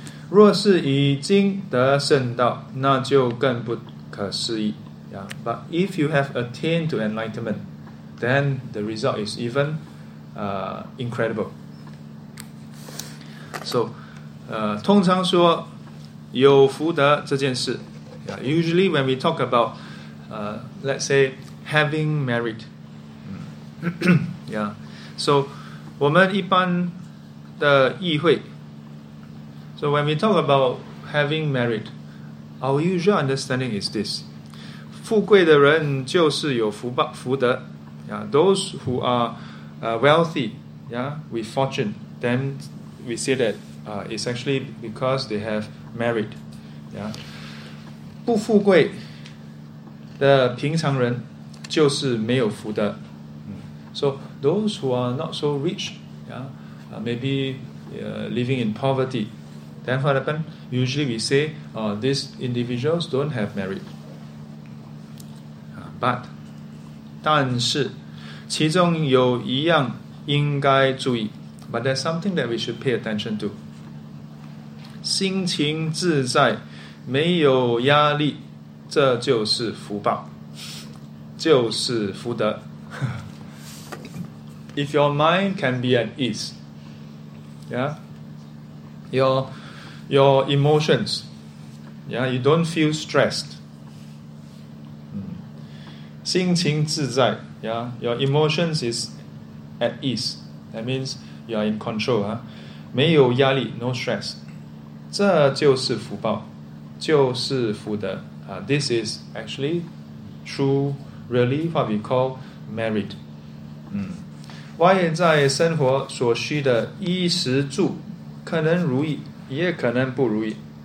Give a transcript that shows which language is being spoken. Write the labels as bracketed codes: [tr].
[zh] 若是已经得圣道，那就更不可思议。 Yeah. [en] But if you have attained to enlightenment, then the result is even incredible. So, [zh] 通常说有福德这件事 [en] yeah, usually when we talk about let's say having merit yeah, so [zh] 我们一般的意会 [en] so when we talk about having merit, our usual understanding is this [zh] 富贵的人就是有福德 [en] yeah, those who are wealthy yeah, with fortune, then we say thatIt's actually because they have merit. Yeah. [zh] 不富贵的平常人就是没有福德。 [en] So those who are not so rich, yeah, maybe living in poverty, then what happens? Usually we say these individuals don't have merit. But, [zh] 但是其中有一样应该注意 [en] but there's something that we should pay attention to. [zh] 心情自在，没有压力，这就是福报，就是福德。 [en] If your mind can be at ease, yeah, your emotions, yeah, you don't feel stressed. [zh] 心情自在 [en] yeah, your emotions is at ease. That means you are in control, huh? [zh] 没有压力 [en] no stress. [zh] 这就是福报，就是福德。 [en] This is actually true, really what we call merit. [zh] 外在生活所需的衣食住，可能如意，也可能不如意。